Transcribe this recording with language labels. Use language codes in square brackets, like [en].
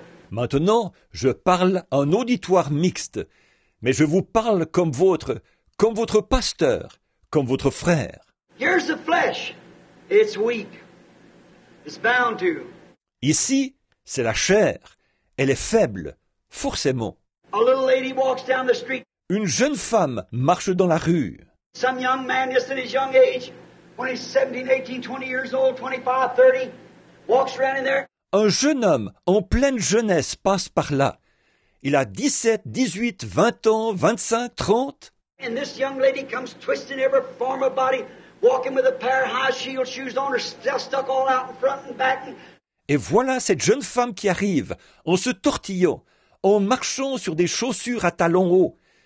[fr] Maintenant, je parle à un auditoire mixte, mais je vous parle comme votre pasteur, comme votre frère. [en] Here's the flesh. It's weak. It's bound to. [fr] Ici, c'est la chair. Elle est faible. Forcément. [en] A little lady walks down the street. [fr] Une jeune femme marche dans la rue. [en] Some young man just in his young age, 20, 17, 18, 20 years old, 25, 30, walks around in there. [fr] Un jeune homme en pleine jeunesse passe par là. Il a 17, 18, 20 ans, 25, 30. [en] And this young lady comes twisting every form of body, walking with a pair of high heel shoes on, her still stuck all out in front and back. [fr] Et voilà cette jeune femme qui arrive en se tortillant, en marchant sur des chaussures à talons hauts.